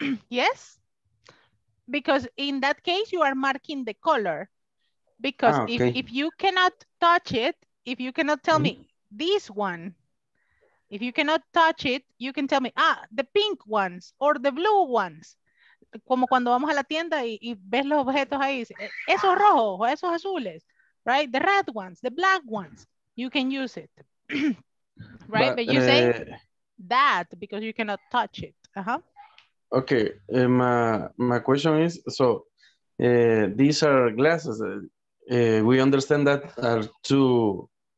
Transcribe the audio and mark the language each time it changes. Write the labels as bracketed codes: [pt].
[en] Yes, because in that case you are marking the color. Because okay. if you cannot touch it, if you cannot tell me this one. If you cannot touch it, you can tell me, ah, the pink ones or the blue ones. [es] Como cuando vamos a la tienda y ves los objetos ahí, esos rojos o esos azules, right? [en] The red ones, the black ones, you can use it. Right? But you say that because you cannot touch it. Uh-huh. Okay. My question is, so these are glasses. We understand that are two.